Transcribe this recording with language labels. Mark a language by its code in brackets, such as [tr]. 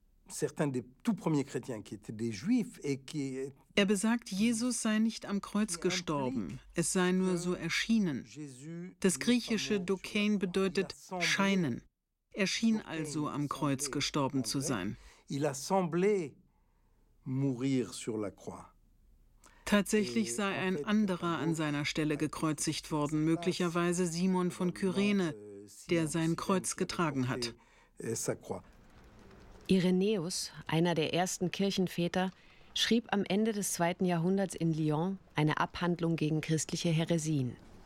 [fr] certains des tout premiers chrétiens qui étaient des juifs et qui... [de] Er besagt, Jesus sei nicht am Kreuz gestorben, es sei nur so erschienen. Das griechische Dokein bedeutet scheinen. Er schien also am Kreuz gestorben zu sein. [fr] Il a semblé mourir sur la croix. [de] Tatsächlich sei ein anderer an seiner Stelle gekreuzigt worden, möglicherweise Simon von Kyrene, der sein Kreuz getragen hat. Irenäus, einer der ersten Kirchenväter, schrieb am Ende des 2. Jahrhunderts in Lyon eine Abhandlung gegen christliche Häresien.